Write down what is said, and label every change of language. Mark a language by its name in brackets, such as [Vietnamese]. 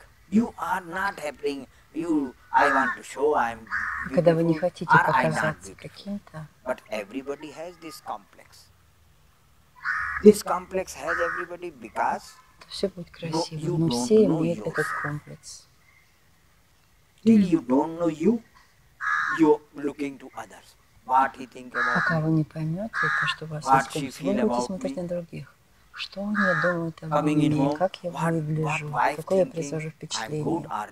[English] you are not happening. You, I want to show I'm. [Russian] Когда вы не хотите показаться каким-то. [English] But everybody has this complex. This complex has everybody because. [Russian] То все будет красиво, но все имеют этот комплекс. [English] Till you don't know you, you're looking to others. What he think about? [Russian] Пока вы не поймете, то что у вас есть комплекс, вы будете смотреть на других. Что они думают обо мне, как я выгляжу, какое я произвожу впечатление.